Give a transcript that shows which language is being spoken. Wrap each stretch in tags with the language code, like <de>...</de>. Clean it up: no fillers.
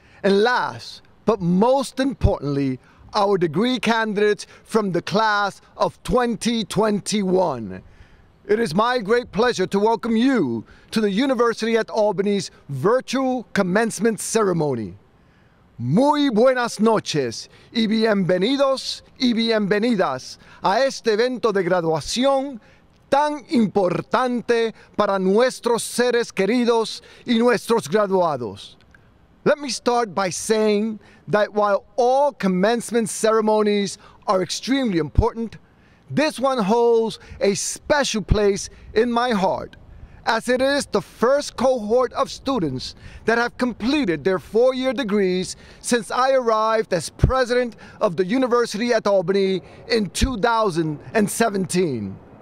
<en>And last, but most importantly, our degree candidates from the class of 2021. It is my great pleasure to welcome you to the University at Albany's virtual commencement ceremony.</en> <es>Muy buenas noches y bienvenidos y bienvenidas a este evento de graduación tan importante para nuestros seres queridos y nuestros graduados.</es> <en>Let me start by saying that while all commencement ceremonies are extremely important, this one holds a special place in my heart, as it is the first cohort of students that have completed their four-year degrees since I arrived as president of the University at Albany in 2017.</en>